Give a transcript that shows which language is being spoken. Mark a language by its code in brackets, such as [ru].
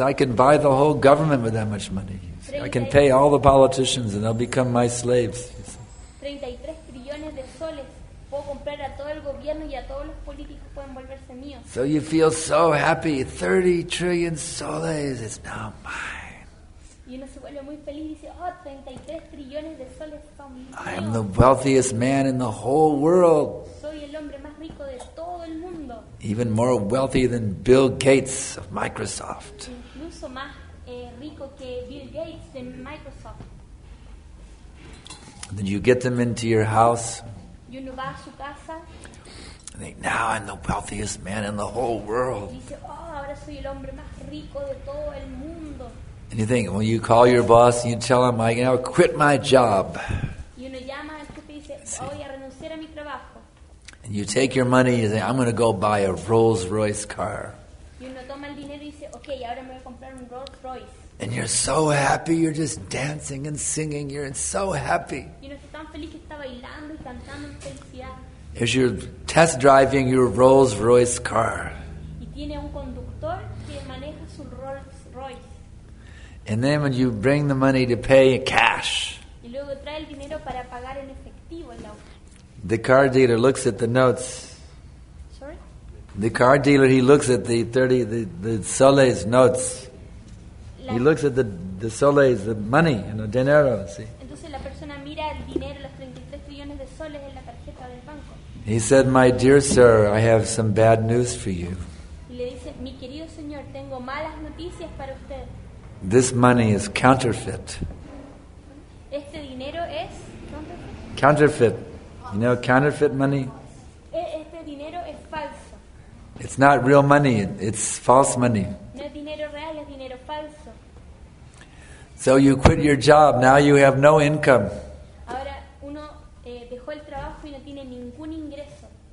[en] I can buy the whole government with that much money. I can pay all the politicians and they'll become my slaves. [es] 33 trillones de soles. Puedo comprar a todo el gobierno y a todos los políticos pueden volverse míos. [en] So you feel so happy. 30 trillion soles is now mine. [es] Y uno se vuelve muy feliz y dice, oh, 33 trillones de soles son míos. [en] I am the wealthiest man in the whole world. [es] Soy el hombre más rico de todo el mundo. [en] Even more wealthy than Bill Gates of Microsoft. [es] Incluso más rico que Bill Gates de Microsoft. [en] Then you get them into your house. [es] Y uno va a su casa. [en] And they, now I'm the wealthiest man in the whole world. [es] Y dice, oh, ahora soy el hombre más rico de todo el mundo. [en] And you think, well, you call your boss and you tell him, I now quit my job. [es] Y uno llama al jefe y dice, voy a renunciar a mi trabajo. [en] And you take your money and you say, I'm going to go buy a Rolls Royce car. [es] Y uno toma el dinero y dice, okay, ahora me voy a comprar un Rolls Royce. [en] And you're so happy, you're just dancing and singing, you're so happy. [es] Y uno está tan feliz que está bailando y cantando en felicidad. [en] As you're test driving your Rolls Royce car. [es] Y tiene un conductor que maneja su Rolls Royce. [en] And then when you bring the money to pay in cash. [es] Y luego trae el dinero para pagar en efectivo el auto. [en] The car dealer looks at the notes. Sorry? The car dealer, he looks at the soles notes. He looks at the soles, the money, you know, dinero, see. [es] Entonces la persona mira el dinero, los 33 trillones de soles en la tarjeta del banco. [en] He said, my dear sir, I have some bad news for you. [es] Y le dice, mi querido señor, tengo malas noticias para usted. [en] This money is counterfeit. [es] Este dinero es counterfeit. [en] Counterfeit. You know, counterfeit money? [es] Este dinero es falso. [en] It's not real money, it's false money. [es] No es dinero real, es dinero falso. [en] So you quit your job, now you have no income. [es] Ahora uno dejó el trabajo y no tiene ningún ingreso.